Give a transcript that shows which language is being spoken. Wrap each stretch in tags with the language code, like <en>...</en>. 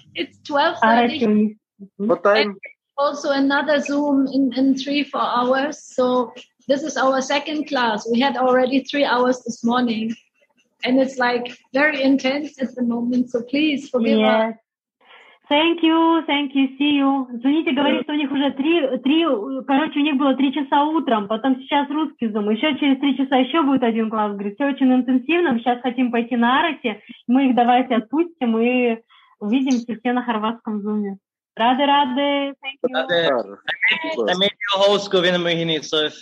<en>It's 12:30. What time? Also another Zoom in 3-4 hours. So this is our second class. We had already 3 hours this morning. And it's like very intense at the moment. So please forgive us. Thank you, see you.</en> <ru>Извините, говорит, что у них уже у них было 3 часа утром, потом сейчас русский зум, еще через 3 часа еще будет один класс, говорит, все очень интенсивно, мы сейчас хотим пойти на Арати, мы их давайте отпустим и увидимся все на хорватском зуме.</ru> <en>Рады, thank you. Rade. I made you a host, Govinda Mohini, so...</en>